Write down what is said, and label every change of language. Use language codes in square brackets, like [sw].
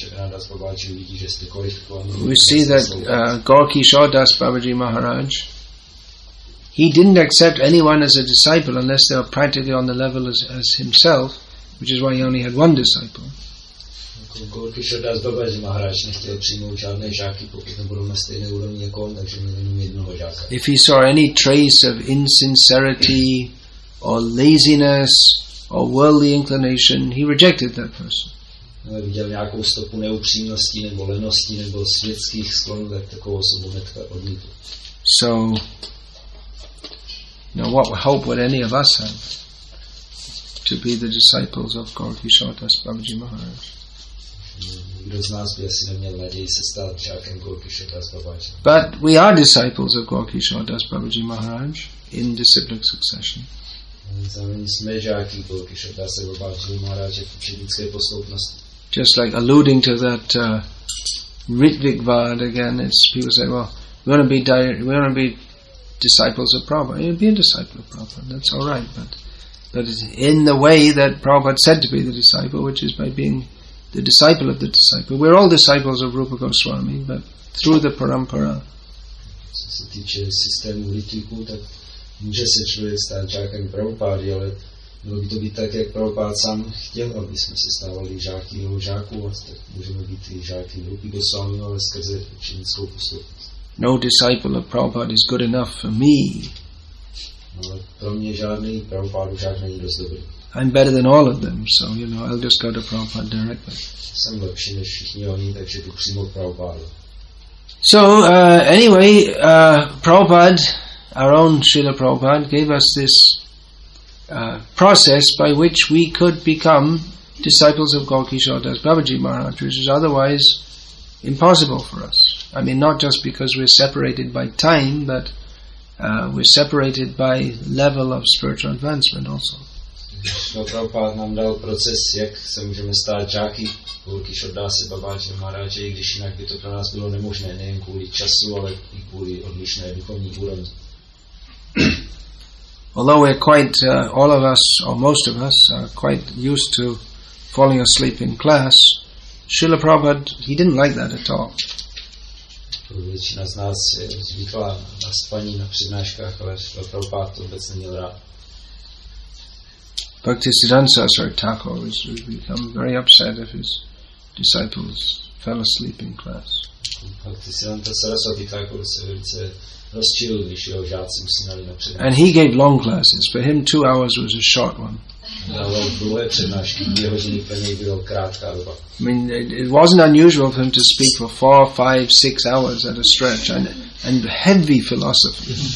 [en] We see that Gaur Kishore Das Babaji Maharaj, he didn't accept anyone as a disciple unless they were practically on the level as himself, which is why he only had one disciple. [cs] Gaur Kishore Das Babaji Maharaj nechtěl přijmout žádné žáky, pokud nebudou na stejné úrovni jako on, takže měl jenom jednoho žáka. [en] If he saw any trace of insincerity or laziness or worldly inclination, he rejected that person. [cs] Viděl nějakou stopu neupřímnosti nebo lenosti nebo světských sklonů, tak takovou osobu hnedka odmítl. [en] So, now what hope would any of us have to be the disciples of Gaur Kishore Das Babaji Maharaj? [cs] Kdo z nás by asi neměl naději se stát žákem Gaur Kishore Das Babaji. [en] But we are disciples of Gaur Kishore Das Babaji Maharaj in disciplic succession. [cs] Zároveň jsme žáky Gaur Kishore Das Babaji Maharaj v učednické posloupnosti. [en] Just like alluding to that Ritvik Vard again, it's people say, well, we want to be disciples of Prabhupada. You'll be a disciple of Prabhupada, that's all right, but it's in the way that Prabhupada said to be the disciple, which is by being the disciple of the disciple. We're all disciples of Rupa Goswami, but through the parampara. [cs] Co se týče systému ritiku, tak může se člověk stát žákem Prabhupády, ale Bylo by to být tak, jak Prabhupád sám chtěl, aby jsme se stávali žáky jeho žáků, a tak můžeme být i žáky Rupy Goswami, ale skrze učenickou poslušnost. [en] No disciple of Prabhupád is good enough for me. [cs] Ale pro mě žádný Prabhupád už není dost dobrý. [en] I'm better than all of them, so, you know, I'll just go to Prabhupada directly. [cs] Jsem lepší než všichni oni, takže jdu přímo k Prabhupádu. [en] So, anyway, Prabhupada, our own Srila Prabhupada, gave us this process by which we could become disciples of Gaurakishore Das Babaji Maharaj, which is otherwise impossible for us. I mean, not just because we're separated by time, but we're separated by level of spiritual advancement also. [cs] Srila Prabhupada nám dal proces, jak se můžeme stát žáky Gaurakishore Das Babaji Maharaj, když jinak by to pro nás bylo nemožné, nejen kvůli času, ale i kvůli odlišné duchovní úrovni. [en] Although we're quite, all of us, or most of us, are quite used to falling asleep in class, Srila Prabhupada, he didn't like that at all. [cs] Většina z nás je zvyklá na spaní na přednáškách, ale Srila Prabhupada to vůbec neměl rád. [en] Bhaktisiddhanta Saraswati Thakur would become very upset if his disciples fell asleep in class. [cs] Bhaktisiddhanta Saraswati Thakur se velice rozčil, když jeho žáci usínali na přednášce. [en] And he gave long classes. For him, 2 hours was a short one. I mean, it wasn't unusual for him to speak for 4, 5, 6 hours at a stretch, and heavy philosophy.